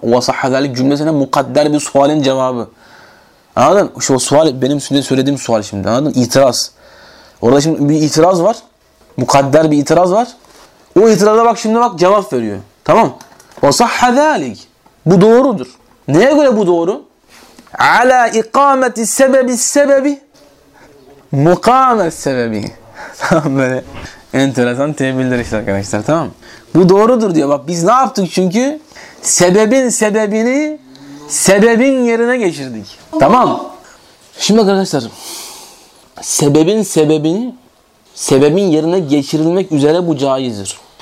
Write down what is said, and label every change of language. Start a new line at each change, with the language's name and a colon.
Arabic: وَصَحَّ ذَٰلِكِ
Turkish: cümlesine mukadder bir sualin cevabı. Anladın mı? İşte o sual benim size söylediğim sual şimdi. Anladın mı? İtiraz. Orada şimdi bir itiraz var. Mukadder bir itiraz var. O itiraza bak şimdi bak cevap veriyor. Tamam.
Arabic: وَصَحَّ ذَٰلِكِ
Turkish: Bu doğrudur. Neye göre bu doğru?
Arabic: عَلَى اِقَامَةِ السَّبَبِ السَّبَبِ مُقَامَ السَّبَبِ
Turkish: Tamam böyle. Enteresan tebildir işte arkadaşlar. Tamam. Bu doğrudur diyor. Bak biz ne yaptık çünkü? Sebebin sebebini sebebin yerine geçirdik. Tamam. Şimdi arkadaşlar sebebin sebebini sebebin yerine geçirilmek üzere bu caizdir.